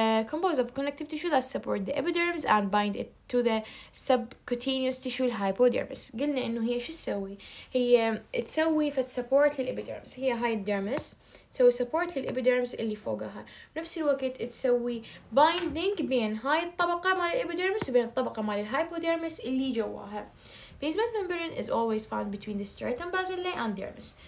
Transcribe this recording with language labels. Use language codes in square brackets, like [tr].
[en] Composed of connective tissue that support the epidermis and bind it to the subcutaneous tissue hypodermis. [ar] قلنا إنه هي شو تسوي؟ هي تسوي فت support للإبيدرمس. هي هاي الديرمس تسوي support للإبيدرمس اللي فوقها. بنفس الوقت تسوي binding بين هاي الطبقة مال الإبيدرمس وبين الطبقة مال الهايبوديرمس اللي جواها. [en] Basement membrane is always found between the stratum basale and dermis.